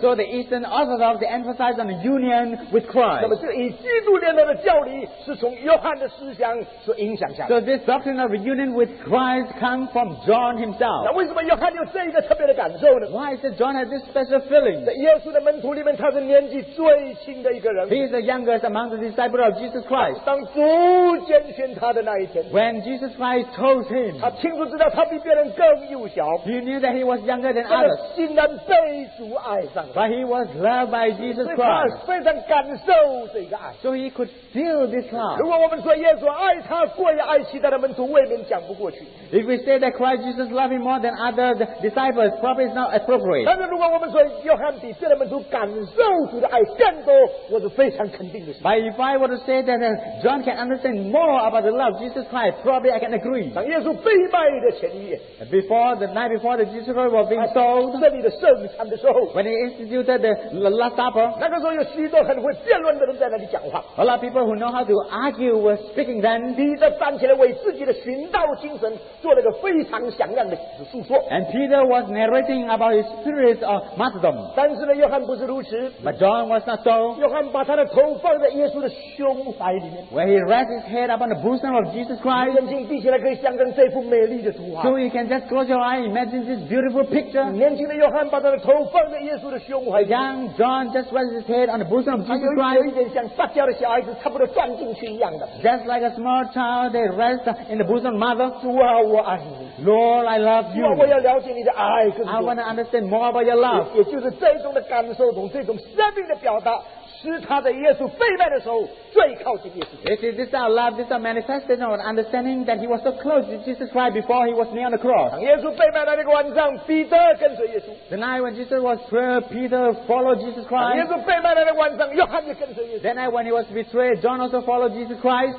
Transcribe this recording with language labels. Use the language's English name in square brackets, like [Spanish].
[English] So the Eastern Orthodox, they emphasize on the union with Christ. [Chinese] 那么这个与基督联合的教理是从约翰的思想所影响下来. [English] So this doctrine of reunion with Christ comes from John himself. [Chinese] 那为什么约翰有这一个特别的感受呢? [English] Why is it John has this special feeling? [Chinese] 耶稣的门徒里面，他是年纪最轻的一个人。 [English] He is the youngest among the disciples of Jesus Christ. [Chinese] 当主拣选他的那一天 [English] ，When Jesus Christ chose him， [Chinese] 他清楚知道他比别人更幼小。 [English] He knew that he was younger than others. [Chinese] 竟然被主爱上了。 [English] But he was loved by Jesus Christ. [Chinese] 所以他非常感受这个爱。 [English] So he could feel this love. [Chinese] 如果我们说耶稣爱他过于爱其他的门徒，未免讲不过去。 [English] If we say that Christ Jesus loved him more than other disciples, probably it's not appropriate. [Chinese] 但是如果我们说约翰比别的门徒感受主的爱更多，我是非常肯定的。 [English] But if I were to say that John can understand more about the love of Jesus Christ, probably I can agree. [Chinese] 当耶稣被卖的前夜 [English] ，before the night before the Jesus Christ was being sold， [Chinese] 设立的圣餐的时候 [English] ，when he instituted the Last Supper， [Chinese] 那个时候有许多很会辩论的人在那里讲话。 [English] A lot of people who know how to argue were speaking then. [Chinese] 彼得站起来为自己的寻道精神做了个非常响亮的述说。 [English] And Peter was narrating about his spirit of martyrdom. [Chinese] 但是呢，约翰不是如此。 [English] But John was not so. [Chinese] 约翰把他的头放在耶稣的胸怀里面。 [English] Where he rests his head upon the bosom of Jesus Christ. [Chinese] 眼睛闭起来可以想象这幅美丽的图画。 [English] So you can just close your eye, imagine this beautiful picture. [Chinese] 年轻的约翰把他的头放在耶稣的胸怀里面。 [English] Young John just rests his head on the bosom of Jesus Christ. [Chinese] 有一点像撒娇的小孩子差不多钻进去一样的。 [English] Just like a small child, they rest in the bosom of mother. [Chinese] 主啊，我爱你。 [English] Lord, I love you. [Chinese] 我要了解你的爱更多。 [English] I want to understand more about your love. [Chinese] 也就是这种的感受，从这种生命的表达，使他在耶稣被卖的时候最靠近耶稣。 [English] It is this our love, this our manifestation of understanding that he was so close to Jesus Christ before he was near the cross. [Chinese] 当耶稣被卖的那个晚上，彼得跟随耶稣。 [English] The night when Jesus was betrayed, Peter followed Jesus Christ. [Chinese] 当耶稣被卖的那个晚上，约翰也跟随耶稣。 [English] The night when he was betrayed, John also followed Jesus Christ.